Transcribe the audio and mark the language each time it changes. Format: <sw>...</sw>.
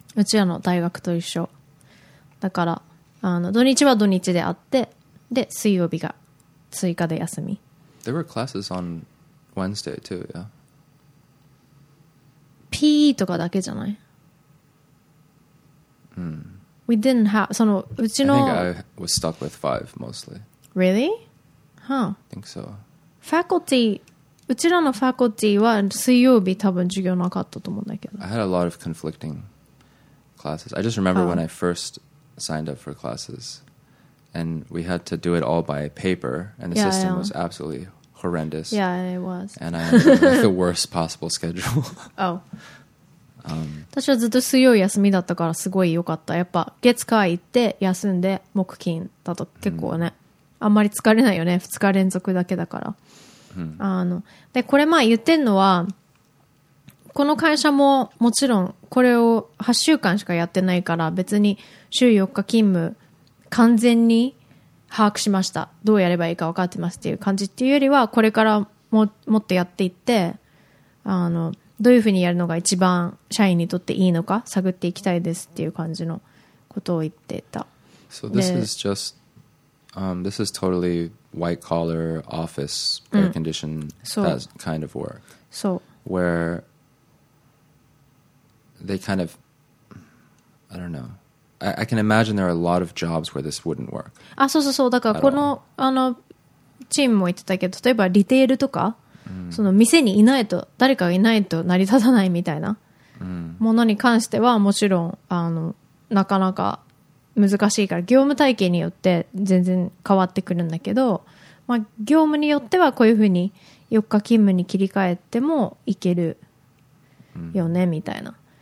<ja>うちらの大学と一緒。だから。あの土日は土日であってで水曜日が追加で休み。</ja> <en>There were classes on Wednesday too, yeah.</en> <ja>PE とかだけじゃない。 Mm.</ja> <en>We didn't have</en> <ja>そのうちの。</ja> <en>I think I was stuck with five mostly. Really? Huh. I think so.</en> <ja>Faculty うちらのファコティは水曜日多分授業なかったと思うんだけど。</ja> <en>I had a lot of conflicting classes. I just remember when I first signed up for classes and we had to do it all by paper and the system was absolutely horrendous. Yeah, it was. And I had like, the worst possible schedule. Oh.</en> <ja>私はずっと水曜休みだったからすごい良かった。やっぱ月火行って休んで木金だと結構ね、うん、あんまり疲れないよね、2日連続だけだから、うん、あのでこれまあ言ってんのはこの会社ももちろんこれを8週間しかやってないから別に週4日勤務完全に把握しました、どうやればいいか分かってますっていう感じっていうよりはこれから もっとやっていってあのどういうふうにやるのが一番社員にとっていいのか探っていきたいですっていう感じのことを言ってた。</ja> <en>So this is just、this is totally white collar office air condition、うん、 that kind of work. So where they kind of I don't know. I can imagine there are a lot of jobs where this wouldn't work.</en> <ja>あ、そうそうそう。だからこの、あのチームも言ってたけど、例えばリテールとかその店にいないと誰かがいないと成り立たないみたいなものに関してはもちろんあのなかなか難しいから業務体系によって全然変わってくるんだけど、まあ、業務によってはこういうふうに4日勤務に切り替えてもいけるよねみたいな。</ja>